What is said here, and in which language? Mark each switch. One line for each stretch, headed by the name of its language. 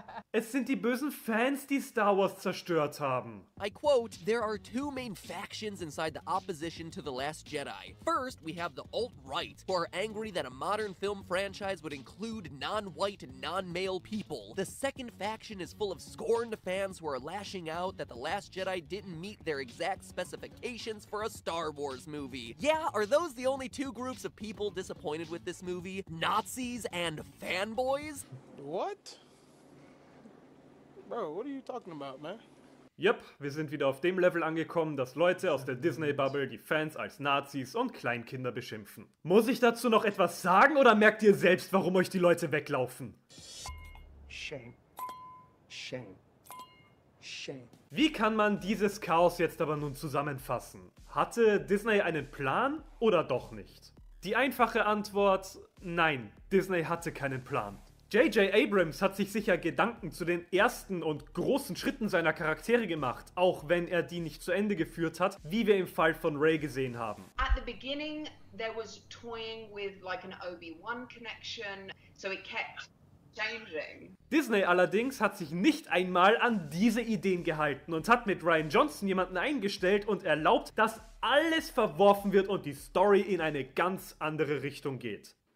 German: Es sind die bösen Fans, die Star Wars zerstört haben.
English: I quote, there are two main factions inside the opposition to The Last Jedi. First, we have the alt-right, who are angry that a modern film franchise would include non-white, non-male people. The second faction is full of scorned fans who are lashing out that The Last Jedi didn't meet their exact specifications for a Star Wars movie. Yeah, are those the only two groups of people disappointed with this movie? Nazis and fanboys? What? Bro, what are you talking about, man?
German: Yep, wir sind wieder auf dem Level angekommen, dass Leute aus der Disney-Bubble die Fans als Nazis und Kleinkinder beschimpfen. Muss ich dazu noch etwas sagen oder merkt ihr selbst, warum euch die Leute weglaufen?
English: Shame. Shame. Shame.
German: Wie kann man dieses Chaos jetzt aber nun zusammenfassen? Hatte Disney einen Plan oder doch nicht? Die einfache Antwort, nein, Disney hatte keinen Plan. J.J. Abrams hat sich sicher Gedanken zu den ersten und großen Schritten seiner Charaktere gemacht, auch wenn er die nicht zu Ende geführt hat, wie wir im Fall von Rey gesehen haben.
English: At the beginning, there was toying with like an Obi-Wan connection, so it kept changing.
German: Disney allerdings hat sich nicht einmal an diese Ideen gehalten und hat mit Rian Johnson jemanden eingestellt und erlaubt, dass alles verworfen wird und die Story in eine ganz andere Richtung geht.